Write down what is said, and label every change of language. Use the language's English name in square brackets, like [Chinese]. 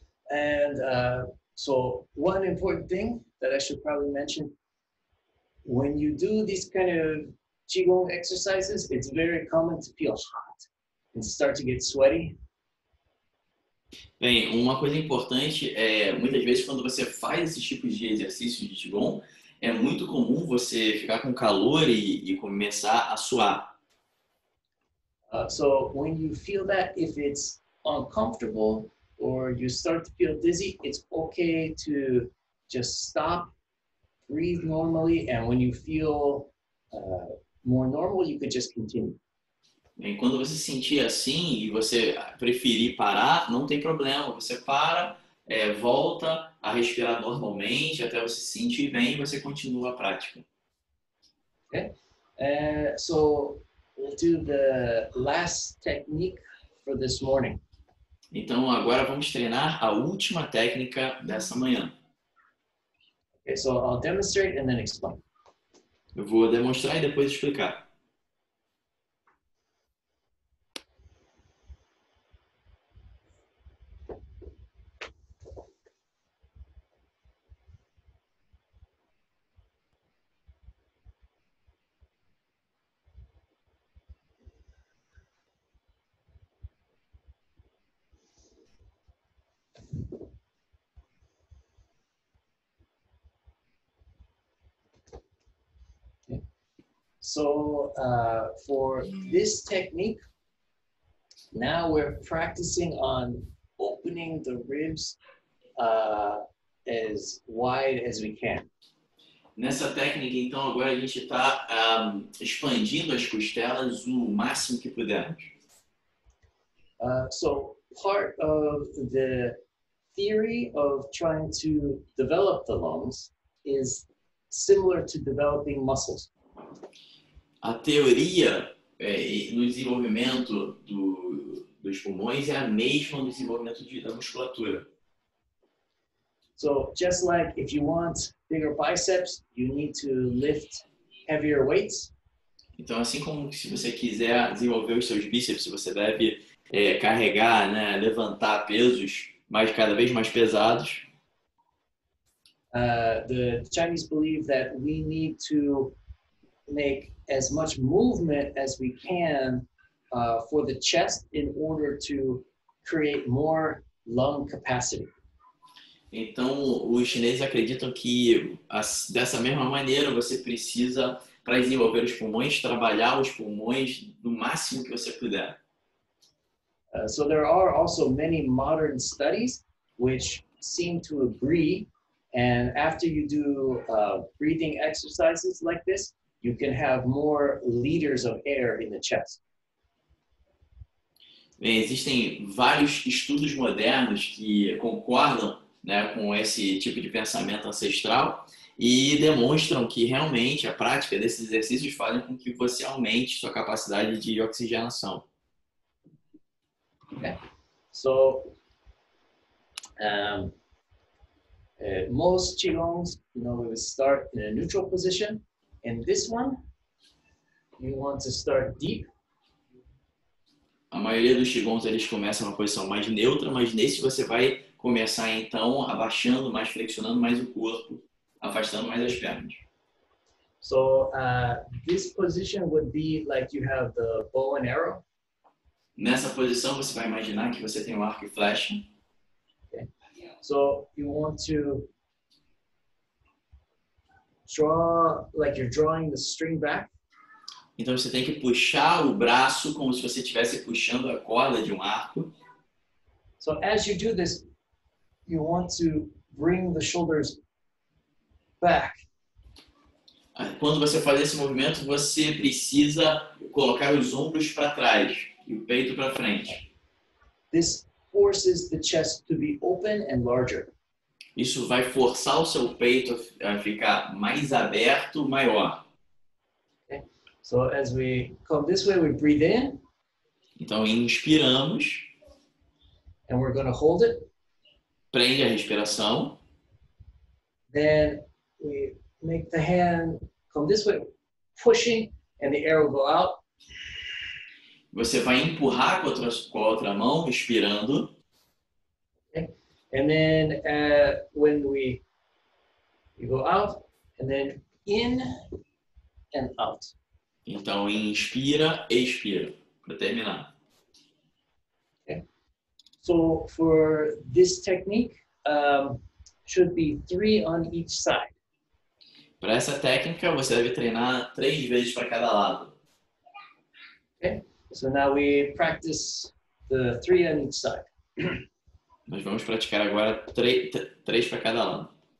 [English] And so one important thing that I should probably mention, when you do these kind of qigong exercises, it's very common to feel hot and start to get sweaty. [Portuguese] Bem, uma coisa importante é, muitas vezes quando você faz esse tipo de exercício de qigong, é muito comum você ficar com calor e começar a suar. [English] So when you feel that, if it's uncomfortable, or you start to feel dizzy, it's okay to just stop, breathe normally, and when you feel more normal, you could just continue. [Portuguese] Bem, quando você se sentir assim e você preferir parar, não tem problema. Você para, volta a respirar normalmente até você se sentir bem e você continua a prática. [English] Okay. So we'll do the last technique for this morning. [Portuguese] Então agora vamos treinar a última técnica dessa manhã. [English] Okay, so I'll demonstrate and then explain. [Portuguese] Eu vou demonstrar e depois explicar. [English] So for this technique, now we're practicing on opening the ribs as wide as we can. [Portuguese] Nessa técnica, então, agora a gente está expandindo as costelas o máximo que pudermos. [English] So part of the theory of trying to develop the lungs is similar to developing muscles. [Portuguese] A teoria no desenvolvimento dos pulmões é a mesma no desenvolvimento da musculatura. [English] So, just like if you want bigger biceps, you need to lift heavier weights. [Portuguese] Então, assim como se você quiser desenvolver os seus bíceps, você deve carregar, né, levantar pesos mais, cada vez mais pesados. [English] The Chinese believe that we need to make as much movement as we can for the chest in order to create more lung capacity. [Portuguese] Então, os chineses acreditam que dessa mesma maneira você precisa, para desenvolver os pulmões, trabalhar os pulmões no máximo que você puder. [English] So there are also many modern studies which seem to agree, and after you do breathing exercises like this, you can have more liters of air in the chest. [Portuguese] Bem, existem vários estudos modernos que concordam, né, com esse tipo de pensamento ancestral e demonstram que realmente a prática desses exercícios faz com que você aumente sua capacidade de oxigenação. [English] Okay. So, most qigongs, you know, we start in a neutral position. In this one, you want to start deep. [Portuguese] A maioria dos qigongs, eles começam numa posição mais neutra, mas nesse você vai começar então abaixando mais, flexionando mais o corpo, afastando mais as pernas. [English] So, this position would be like you have the bow and arrow. [Portuguese] Nessa posição você vai imaginar que você tem um arco e flecha. [English] Okay. So, you want to draw, like you're drawing the string back. [Portuguese] Então você tem que puxar o braço como se você estivesse puxando a corda de um arco. [English] So as you do this, you want to bring the shoulders back. [Portuguese] Quando você faz esse movimento, você precisa colocar os ombros para trás e o peito para frente. [English] This forces the chest to be open and larger. [Portuguese] Isso vai forçar o seu peito a ficar mais aberto, maior. [English] Okay. So as we come this way, we breathe in. [Portuguese] Então inspiramos. [English] And we're going to hold it. [Portuguese] Prende a respiração. [English] Then we make the hand come this way, pushing, and the air will go out. [Portuguese] Você vai empurrar com a outra mão, inspirando. [English] And then when you go out, and then in and out. [Portuguese] Então, inspira, expira, para terminar. [English] Okay. So, for this technique, should be 3 on each side. [Portuguese] Para essa técnica, você deve treinar 3 vezes para cada lado. [English] Okay. So, now we practice the 3 on each side. [Portuguese] Nós vamos praticar agora 3 para cada lado.